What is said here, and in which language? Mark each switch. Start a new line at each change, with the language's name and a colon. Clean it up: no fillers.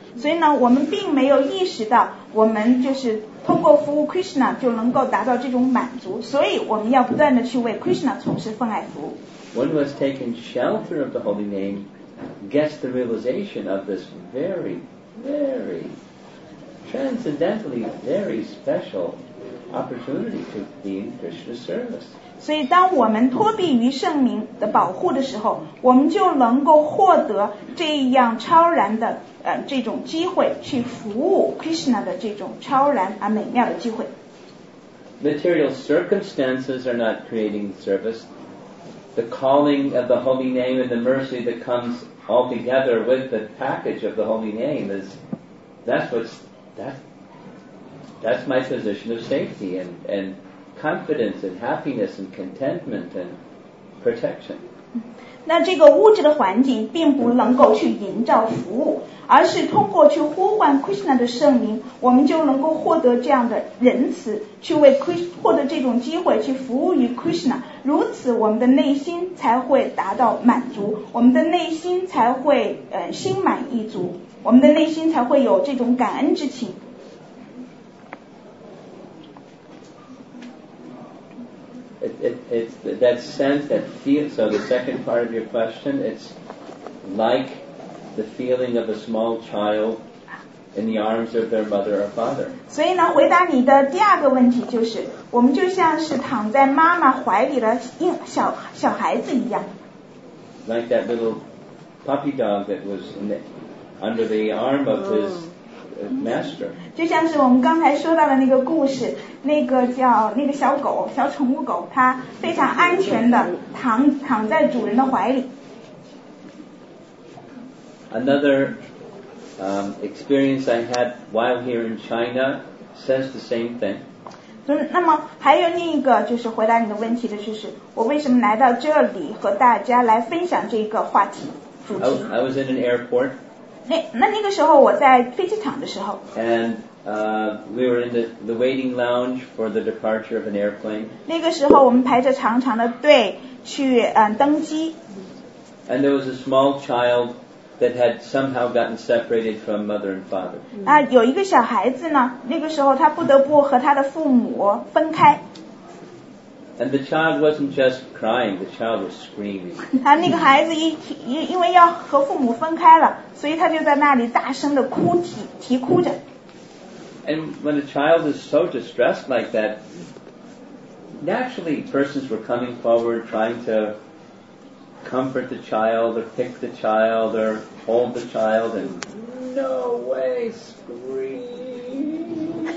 Chinese: 所以呢，我们并没有意识到我们就是通过服务 Krishna 就能够达到这种满足，所以我们要不断的去为 Krishna 从事奉爱服务。
English: One who has taken shelter of the holy name gets the realization of this very, very, transcendentally very special opportunity to be in Krishna's service.
Chinese: 所以当我们脱避于圣名的保护的时候，我们就能够获得这样超然的这种机会去服务 Krishna 的这种超然而美妙的机会。
English: Material circumstances are not creating service. The calling of the holy name and the mercy that comes all together with the package of the holy name is that's my position of safety and confidence and happiness and contentment and protection.
Chinese: 那这个物质的环境并不能够去营造服务，而是通过去呼唤 Krishna 的圣名，我们就能够获得这样的仁慈，去为 Krishna 获得这种机会去服务于 Krishna， 如此我们的内心才会达到满足，我们的内心才会心满意足，我们的内心才会有这种感恩之情。
English: It's that sense, that feel. So the second part of your question, it's like the feeling of a small child in the arms of their mother or father.
Chinese: 所以呢，回答你的第二个问题就是，我们就像是躺在妈妈怀里的小孩子一样。
English: Like that little puppy dog that was under the arm of his master.
Chinese: 就像是我们刚才说到的那个故事，那个叫那个小狗，小宠物狗，它非常安全的躺在主人的怀里。
English: Another experience I had while here in China says the same thing.
Chinese: 那么还有另一个就是回答你的问题的就是我为什么来到这里和大家来分享这个话题。
English: I was in an airport.
Chinese: 那个时候我在飞机场的时候。
English: And we were in the waiting lounge for the departure of an airplane.
Chinese: 那个时候我们排着长长的队去登机。
English: And there was a small child that had somehow gotten separated from mother and father.
Chinese: 那有一个小孩子呢，那个时候他不得不和他的父母分开。
English: And the child wasn't just crying, the child was screaming.
Chinese: 他那个孩子因为要和父母分开了，所以他就在那里大声的哭啼哭着。
English: And when a child is so distressed like that, naturally persons were coming forward trying to comfort the child or pick the child or hold the child and no way, scream.